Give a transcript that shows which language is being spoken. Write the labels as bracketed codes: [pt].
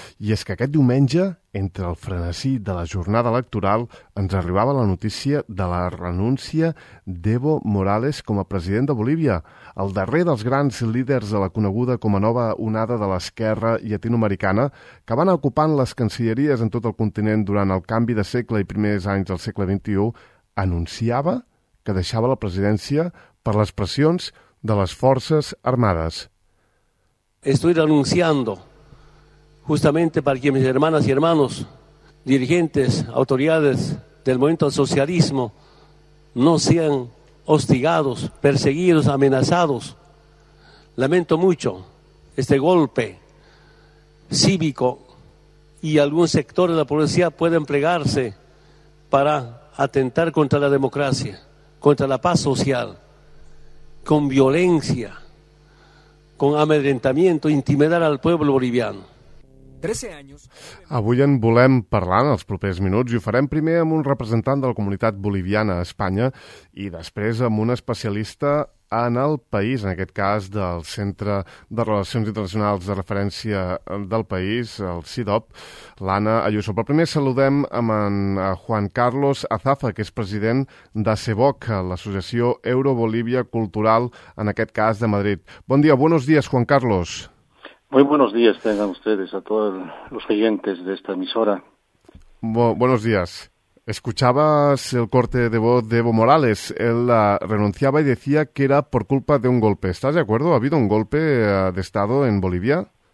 [ca] I és que aquest diumenge, entre el frenesí de la jornada electoral, ens arribava la notícia de la renúncia d'Evo Morales com a president de Bolívia, el darrer dels grans líders de la coneguda com a nova onada de l'esquerra llatinoamericana, que van ocupant les cancilleries en tot el continent durant el canvi de segle i primers anys del segle XXI, anunciava que deixava la presidència per les pressions de les forces armades. [es] Estoy renunciando justamente para que mis hermanas y hermanos, dirigentes, autoridades del movimiento del socialismo, no sean hostigados, perseguidos, amenazados. Lamento mucho este golpe cívico y algún sector de la policía puede emplearse para atentar contra la democracia, contra la paz social, con violencia, con amedrentamiento, intimidar al pueblo boliviano. 13 años. [ca] Avui en volem parlar en els propers minuts i ho farem primer amb un representant de la comunitat boliviana a Espanya i després amb un especialista en el país, en aquest cas del Centre de Relacions Internacionals de Referència del País, el CIDOP, l'Anna Ayuso. Però primer saludem amb en Juan Carlos Azafa, que és president de CEVOC, l'Associació Euro-Bolívia Cultural, en aquest cas de Madrid. Bon dia, [es] buenos días, [ca] Juan Carlos. [es] Muy buenos días tengan ustedes a todos los oyentes de esta emisora. Buenos días. Escuchabas el corte de voz de Evo Morales. Él renunciaba y decía que era por culpa de un golpe. ¿Estás de acuerdo? ¿Ha habido un golpe de Estado en Bolivia?